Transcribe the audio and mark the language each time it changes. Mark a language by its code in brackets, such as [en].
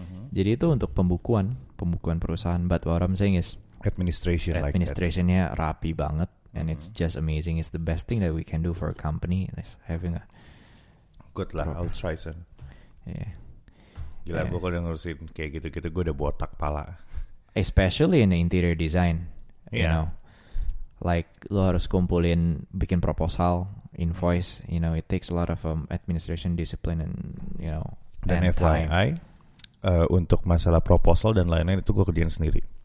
[id] Jadi itu untuk pembukuan perusahaan. [en] But what I'm saying is administrationnya like [id] rapi banget. [en] And it's just amazing. It's the best thing that we can do for a company. It's having a good luck. I'll try soon. Yeah. [id] Gila, gue kalau ngurusin kayak gitu-gitu, gue udah botak pala. [en] Especially in the interior design, you know, like [id] lo harus kumpulin, bikin [en] proposal, invoice. You know, it takes a lot of administration discipline and you know. [id] Dan FYI, untuk masalah proposal dan lain-lain itu gue kerjain sendiri.